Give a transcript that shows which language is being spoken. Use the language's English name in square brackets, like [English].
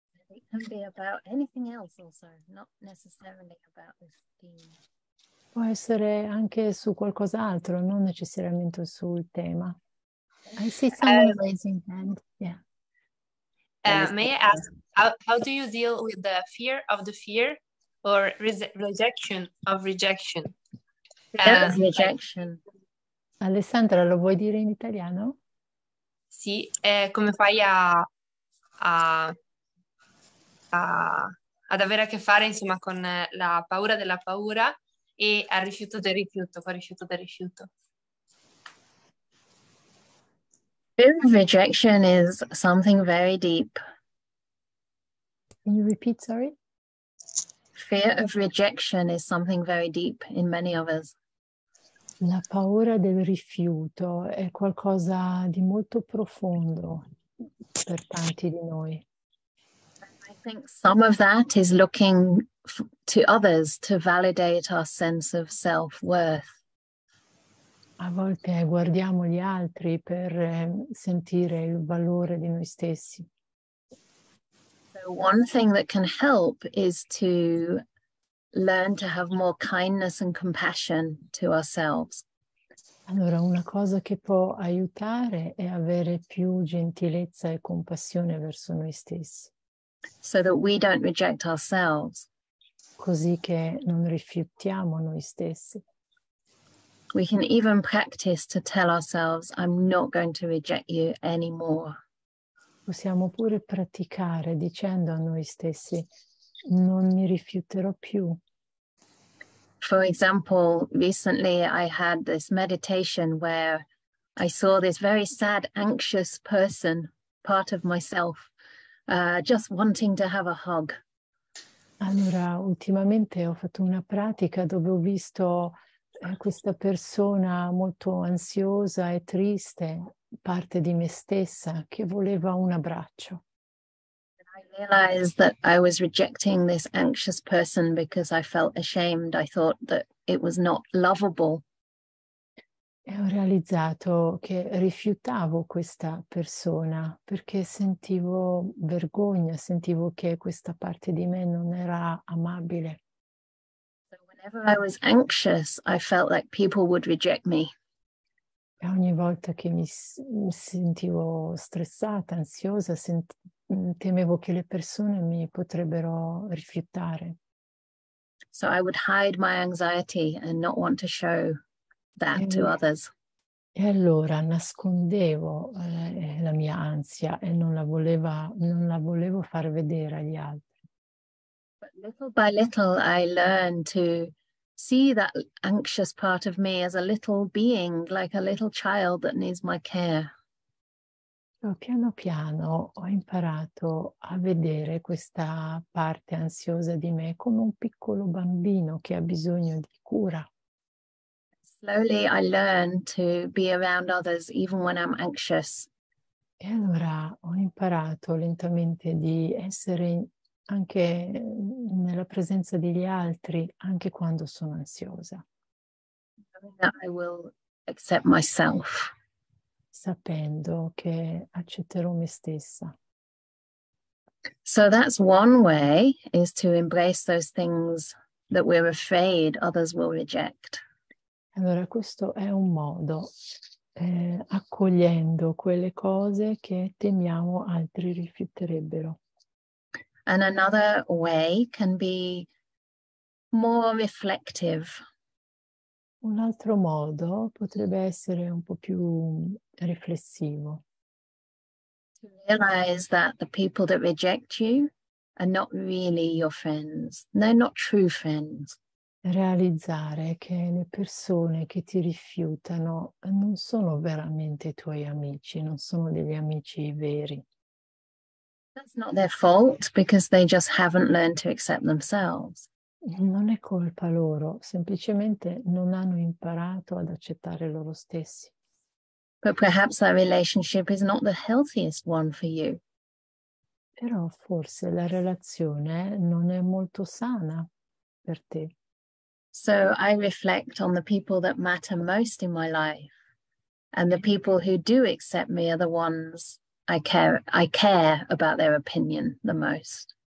[English] It can be about anything else also, not necessarily about this theme. [Italian] Può essere anche su qualcos'altro, non necessariamente sul tema. [English] I see someone raising hand. Yeah. May I ask, how do you deal with the fear of the fear or rejection of rejection? Rejection. [Italian] Alessandra, lo vuoi dire in italiano? Sì, come fai ad avere a che fare, insomma, con la paura della paura e al rifiuto del rifiuto, col rifiuto del rifiuto? [English] Fear of rejection is something very deep. Can you repeat, sorry? Fear of rejection is something very deep in many of us. [Italian] La paura del rifiuto è qualcosa di molto profondo per tanti di noi. [English] I think some of that is looking to others to validate our sense of self-worth. [Italian] A volte guardiamo gli altri per sentire il valore di noi stessi. [English] So one thing that can help is to learn to have more kindness and compassion to ourselves. [Italian] Allora, una cosa che può aiutare è avere più gentilezza e compassione verso noi stessi. [English] So that we don't reject ourselves. [Italian] Così che non rifiutiamo noi stessi. [English] We can even practice to tell ourselves, I'm not going to reject you anymore. [Italian] Possiamo pure praticare dicendo a noi stessi, non mi rifiuterò più. [English] For example, recently I had this meditation where I saw this very sad, anxious person, part of myself, just wanting to have a hug. [Italian] Allora, ultimamente ho fatto una pratica dove ho visto questa persona molto ansiosa e triste, parte di me stessa, che voleva un abbraccio. [English] I realized that I was rejecting this anxious person because I felt ashamed. I thought that it was not lovable. [Italian] E ho realizzato che rifiutavo questa persona perché sentivo vergogna, sentivo che questa parte di me non era amabile. [English] Whenever I was anxious, I felt like people would reject me. [Italian] E ogni volta che mi sentivo stressata, ansiosa, temevo che le persone mi potrebbero rifiutare. [English] So I would hide my anxiety and not want to show that to others. [Italian] E allora nascondevo la mia ansia e non la volevo far vedere agli altri. [English] Little by little, I learned to see that anxious part of me as a little being, like a little child that needs my care. [Italian] Piano piano ho imparato a vedere questa parte ansiosa di me come un piccolo bambino che ha bisogno di cura. [English] Slowly, I learned to be around others even when I'm anxious. [Italian] E allora ho imparato lentamente di essere anche nella presenza degli altri, anche quando sono ansiosa. [English] I will accept myself. [Italian] Sapendo che accetterò me stessa. [English] So that's one way, is to embrace those things that we're afraid others will reject. [Italian] Allora, questo è un modo, accogliendo quelle cose che temiamo altri rifiuterebbero. [English] And another way can be more reflective. [Italian] Un altro modo potrebbe essere un po' più riflessivo. [English] To realize that the people that reject you are not really your friends. They're not true friends. [Italian] Realizzare che le persone che ti rifiutano non sono veramente i tuoi amici, non sono degli amici veri. [English] That's not their fault, because they just haven't learned to accept themselves. [Italian] Non è colpa loro, semplicemente non hanno imparato ad accettare loro stessi. [English] But perhaps that relationship is not the healthiest one for you. [Italian] Però forse la relazione non è molto sana per te. [English] So I reflect on the people that matter most in my life, and the people who do accept me are the ones I care about their opinion the most.